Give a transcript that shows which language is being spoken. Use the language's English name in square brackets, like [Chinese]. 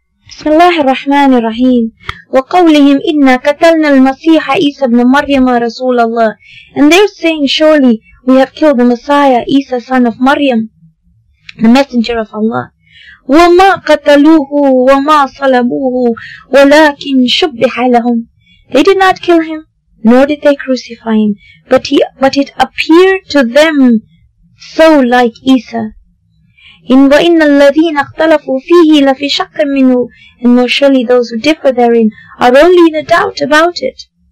[Arabic] بسم الله الرحمن الرحيم وقولهم إنا قتلنا المسيح عيسى بن مريم رسول الله. [English] And they're saying, surely we have killed the Messiah, Isa son of Maryam, the messenger of Allah. [Arabic] وما قتلوه وما صلبوه ولكن شبه لهم. [English] They did not kill him, nor did they crucify him, but it appeared to them so like Isa. [Arabic] إن وَإِنَّ الَّذِينَ اخْتَلَفُوا فِيهِ لَفِي شَقٍ مِّنُهُ. [English] And more surely those who differ therein are only in a doubt about it.